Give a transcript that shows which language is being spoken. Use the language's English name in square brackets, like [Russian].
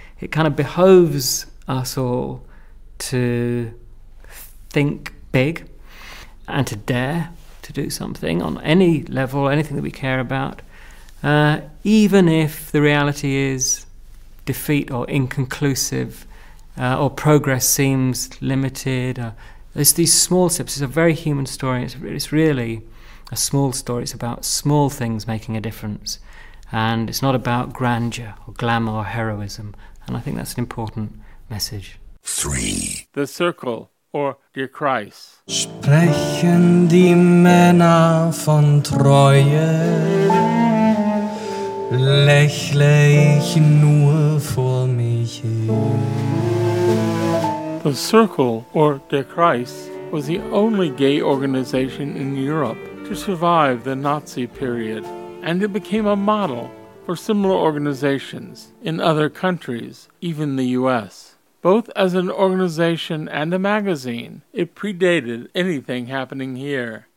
[English] It kind of behoves us all to think big and to dare to do something on any level, anything that we care about, even if the reality is defeat or inconclusive or progress seems limited. There's these small steps. It's a very human story. It's really a small story. It's about small things making a difference. And it's not about grandeur or glamour or heroism. And I think that's an important message. 3. The Circle, or Dear Christ. [German] Sprechen die Männer von Treue, lächle ich nur vor mich hin. [English] The Circle, or Der Kreis, was the only gay organization in Europe to survive the Nazi period, and it became a model for similar organizations in other countries, even the U.S. Both as an organization and a magazine, it predated anything happening here.